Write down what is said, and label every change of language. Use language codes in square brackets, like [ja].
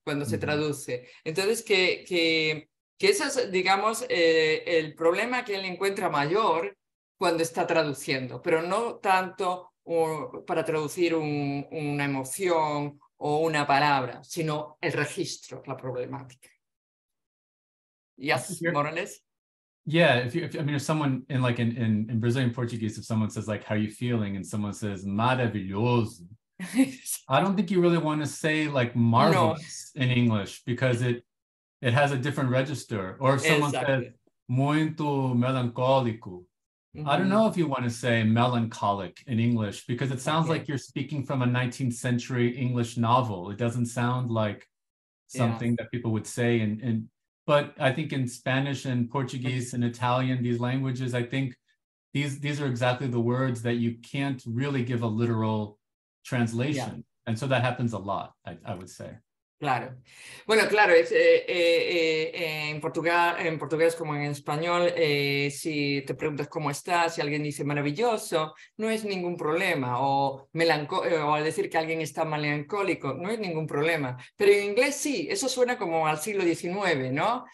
[es] Cuando se traduce. Entonces que ese es, digamos, el problema que él encuentra mayor cuando está traduciendo, pero no tanto para traducir una emoción o una palabra, sino el registro, la problemática. [en] Yes, more or less. Yeah, if someone in like in Brazilian Portuguese, if someone says like, how are you feeling? And someone says, maravilhoso. I don't think you really want to say like marvelous in English, because it has a different register. Or if someone says, [pt] muito melancólico. [en] I don't know if you want to say melancholic in English, because it sounds like you're speaking from a 19th century English novel. It doesn't sound like something that people would say. But I think in Spanish and Portuguese and Italian, these languages, I think these are exactly the words that you can't really give a literal translation. Yeah. And so that happens a lot, I would say. [es] Claro. Bueno, claro, en portugués como en español, si te preguntas cómo estás y alguien dice maravilloso, no es ningún problema. O al decir que alguien está melancólico, no es ningún problema. Pero en inglés sí, eso suena como al siglo XIX, ¿no?